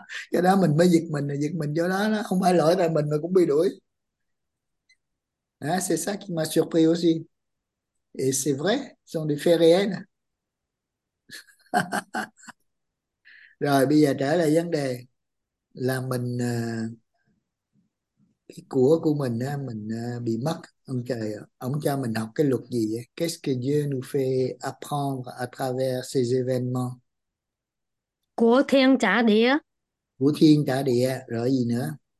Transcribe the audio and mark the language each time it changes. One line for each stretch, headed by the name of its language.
Vietnamese: Cái đó mình mới giật mình vô đó, nó không phải lỗi tại mình mà cũng bị đuổi.
French: À, c'est ça qui m'a surpris aussi. Et c'est vrai, sont des faits réels.
Vietnamese: Rồi bây giờ trở lại vấn đề là mình cái của mình á, mình bị mất. Ông trời, ông cho mình học cái luật gì vậy?
French: Qu'est-ce que Dieu nous fait apprendre à travers ces événements?
Vietnamese: Của thiên trả địa, Của thiên trả địa, rồi gì nữa?